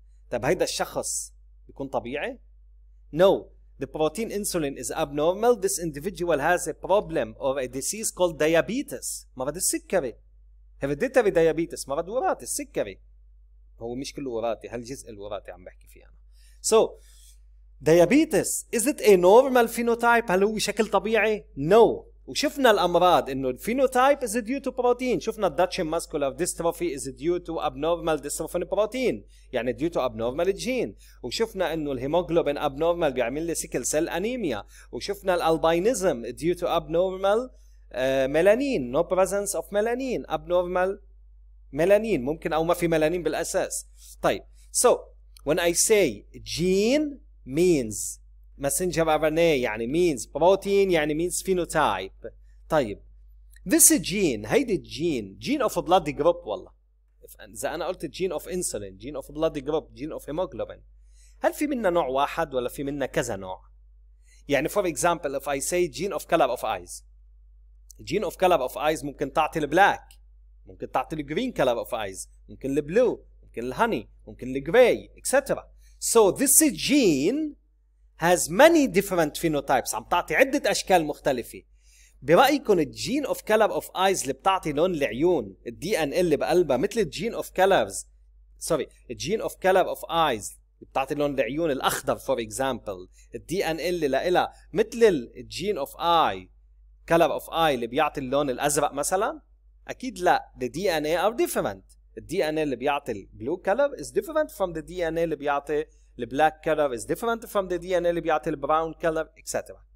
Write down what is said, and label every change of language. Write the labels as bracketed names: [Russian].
[Arabic] طب هيدا الشخص بيكون طبيعي؟ نو. [English] The protein insulin is abnormal. This individual has a problem or a disease called diabetes. [Arabic] مرض السكري. [English] Hereditary diabetes. [Arabic] مرض وراثي. السكري. هو مش كله وراثي. هالجزء الوراثي عم بحكي فيه أنا. [English] So, diabetes. Is it a normal phenotype? [Arabic] هل هو شكل طبيعي؟ No. وشفنا الأمراض إنه [English] the phenotype is due to protein. [Arabic] شفنا [English] the Dutch muscular dystrophy is due to abnormal dystrophin protein. [Arabic] يعني [English] due to abnormal gene. [Arabic] وشفنا إنه الهيموغلوبين abnormal بيعمل لي sickle cell anemia. وشفنا الألبينيزم [English] due to abnormal melanin. No presence of melanin. Abnormal melanin. [Arabic] ممكن أو ما في melanin بالأساس. طيب. [English] So when I say gene means messenger RNA [Arabic] يعني [English] means protein يعني means phenotype. طيب this gene، هيدي gene، gene of blood group، [Arabic] والله إذا أنا قلت [English] gene of insulin، gene of blood group، gene of hemoglobin، [Arabic] هل في منا نوع واحد ولا في منا كذا نوع؟ [English] يعني for example if I say gene of color of eyes، gene of color of eyes [Arabic] ممكن تعطي [English] black، ممكن تعطي green color of eyes، ممكن blue، ممكن honey، ممكن gray، etc. So this gene has many different phenotypes، [Arabic] عم تعطي عدة أشكال مختلفة. برأيكم الـ gene of color of eyes اللي بتعطي لون العيون الـ DNA اللي بقلبها مثل الـ gene of colors، sorry الـ gene of color of eyes اللي بتعطي لون العيون الأخضر [English] for example، [Arabic] الـ DNA اللي لقلها مثل الـ gene of eye color of eye اللي بيعطي اللون الأزرق مثلا؟ أكيد لا. [English] The DNA are different. The DNA [Arabic] اللي بيعطي [English] الـ blue color is different from the DNA اللي بيعطي The black color is different from the DNA اللي بيعطي the brown color etc.